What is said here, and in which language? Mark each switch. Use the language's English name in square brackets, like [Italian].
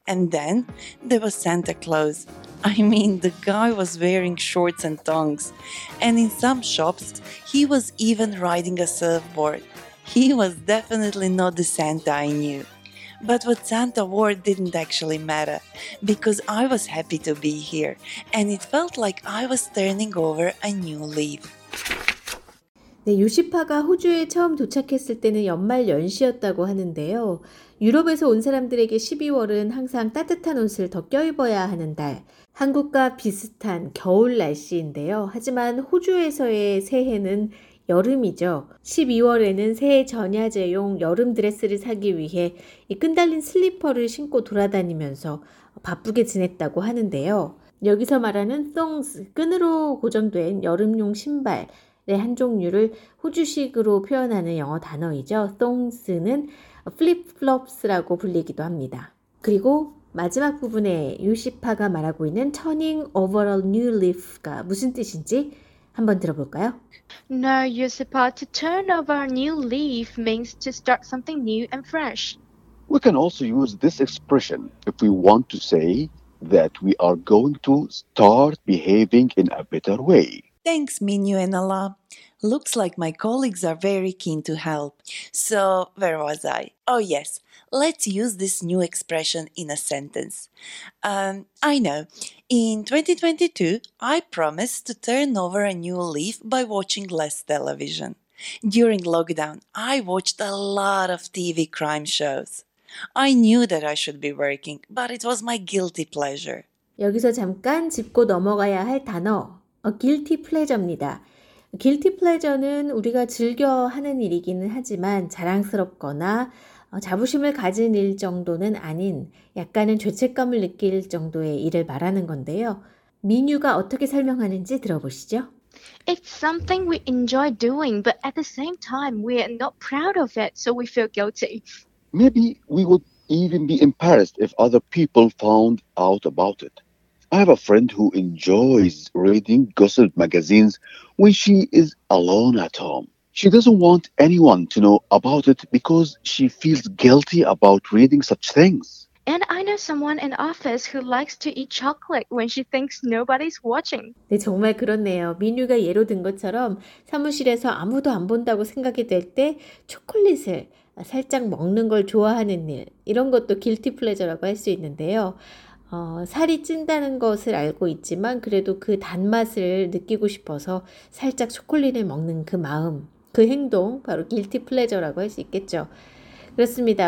[English] And then there was Santa Claus. I mean, the guy was wearing shorts and thongs, and in some shops, he was even riding a surfboard. He was definitely not the Santa I knew. But what Santa wore didn't actually matter, because I was happy to be here, and it felt like I was turning over a new leaf. [Korean] 네, 요시파가 호주에 처음 도착했을 때는 연말 연시였다고 하는데요. 유럽에서 온 사람들에게 12월은 항상 따뜻한 옷을 더 껴입어야 하는 달, 한국과 비슷한 겨울 날씨인데요. 하지만 호주에서의 새해는 여름이죠. 12월에는 새해 전야제용 여름 드레스를 사기 위해 이 끈달린 슬리퍼를 신고 돌아다니면서 바쁘게 지냈다고 하는데요. 여기서 말하는 thongs, 끈으로 고정된 여름용 신발의 한 종류를 호주식으로 표현하는 영어 단어이죠. thongs는 flip-flops라고 불리기도 합니다. 그리고 마지막 부분에 요시파가 말하고 있는 [English] turning over a new leaf [Korean] 가 무슨 뜻인지 한번 들어볼까요? [English] No, Yosipa, to turn over a new leaf means to start something new and fresh. We can also use this expression if we want to say that we are going to start behaving in a better way. Thanks, Minyu and Ala. Looks like my colleagues are very keen to help. So, where was I? Oh yes, let's use this new expression in a sentence. I know. In 2022, I promised to turn over a new leaf by watching less television. During lockdown, I watched a lot of TV crime shows. I knew that I should be working, but it was my guilty pleasure. [Korean] 여기서 잠깐 짚고 넘어가야 할 단어, guilty pleasure입니다. Guilty pleasure는 우리가 즐겨하는 일이기는 하지만 자랑스럽거나 자부심을 가진 일 정도는 아닌 약간은 죄책감을 느낄 정도의 일을 말하는 건데요. 민유가 어떻게 설명하는지 들어보시죠. [English] It's something we enjoy doing, but at the same time, we are not proud of it, so we feel guilty. Maybe we would even be embarrassed if other people found out about it. I have a friend who enjoys reading gossip magazines when she is alone at home. She doesn't want anyone to know about it because she feels guilty about reading such things. And I know someone in office who likes to eat chocolate when she thinks nobody's watching. [Korean] 네, 정말 그렇네요. 민유가 예로 든 것처럼 사무실에서 아무도 안 본다고 생각이 될 때 초콜릿을 살짝 먹는 걸 좋아하는 일, 이런 것도 guilty pleasure라고 할 수 있는데요. 살이 찐다는 것을 알고 있지만 그래도 그 단맛을 느끼고 싶어서 살짝 초콜릿을 먹는 그 마음, 그 행동 바로 guilty pleasure라고 할 수 있겠죠. 그렇습니다.